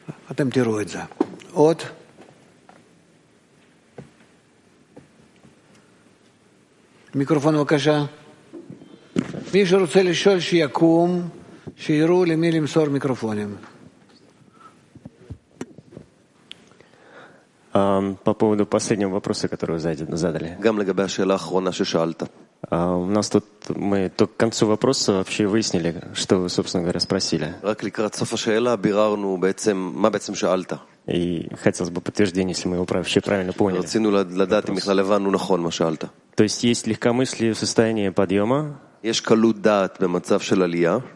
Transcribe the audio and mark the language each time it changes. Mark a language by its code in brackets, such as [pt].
[he] אתם תראו את זה. עוד? מיקרופון בבקשה. מי שרוצה לשאול שיקום, שיראו למי למסור מיקרופונים. [ru] По поводу последнего вопроса, который вы задали. [he] גם לגבי השאלה האחרונה ששאלת. [ru] У нас тут мы только к концу вопроса вообще выяснили, что вы, собственно говоря, спросили. [he] רק לקראת סוף השאלה ביררנו בעצם מה בעצם שאלת. [ru] И хотелось бы подтверждение, если мы его вообще правильно поняли. [he] רצינו לדעת אם בכלל הבנו נכון מה שאלת. [ru] То есть есть легкомыслие в состоянии подъема? [he] יש קלות דעת במצב של עלייה?